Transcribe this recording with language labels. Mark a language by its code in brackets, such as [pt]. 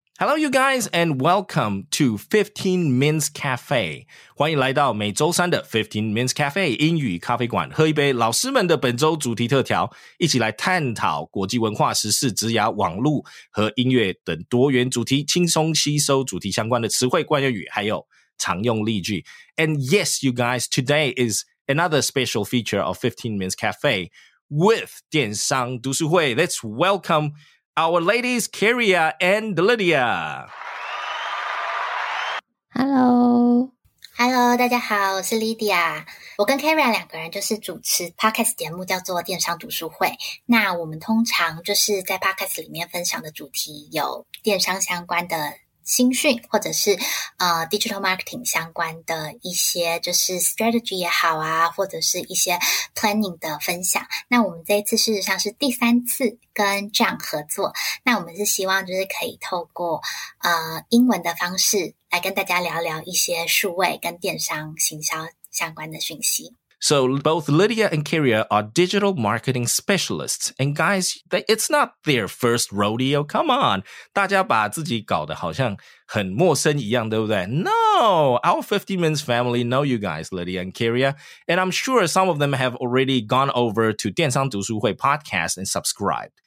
[en] Hello, you guys, and welcome to 15Mins Cafe. [zh] 欢迎来到每周三的 15Mins Cafe 英语咖啡馆，喝一杯老师们的本周主题特调，一起来探讨国际文化、时事、职涯、网络和音乐等多元主题，轻松吸收主题相关的词汇、惯用语，还有常用例句。 [en] And yes, you guys, today is another special feature of 15Mins Cafe with 电商读书会。 Let's welcome... Our ladies, Kiria and Lydia. Hello. [zh] Hello, 大家好，我是 Lydia. 我跟 Kiria 两个人就是主持 podcast 节目叫做电商读书会。那我们通常就是在 podcast 里面分享的主题有电商相关的新讯或者是digital marketing 相关的一些就是 strategy 也好啊或者是一些 planning 的分享。那我们这一次事实上是第三次跟 John 合作，那我们是希望就是可以透过英文的方式来跟大家聊聊一些数位跟电商行销相关的讯息。 [en] So both Lydia and Kiria are digital marketing specialists. And guys, it's not their first rodeo. Come on. [zh] 大家把自己搞得好像很陌生一样，对不对？ [en] No, our 15Mins family know you guys, Lydia and Kiria. And I'm sure some of them have already gone over to 电商读书会 podcast and subscribed.